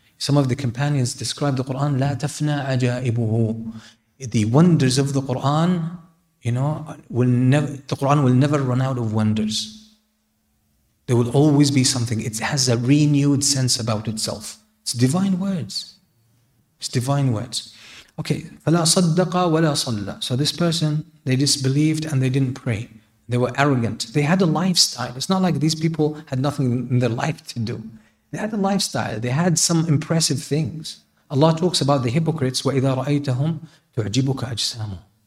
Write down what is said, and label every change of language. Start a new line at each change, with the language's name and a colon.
English: Some of the companions describe the Quran,
Arabic: لَا تَفْنَى عَجَائِبُهُ.
English: The wonders of the Quran, you know, the Quran will never run out of wonders. There will always be something. It has a renewed sense about itself. It's divine words.
Arabic: Okay, فَلَا صَدَّقَ وَلَا صَلَّى.
English: So this person, they disbelieved and they didn't pray. They were arrogant. They had a lifestyle. It's not like these people had nothing in their life to do. They had a lifestyle. They had some impressive things. Allah talks about the hypocrites,
Arabic: وَإِذَا رَأَيْتَهُمْ تُعْجِبُكَ أَجْسَامُهُمْ.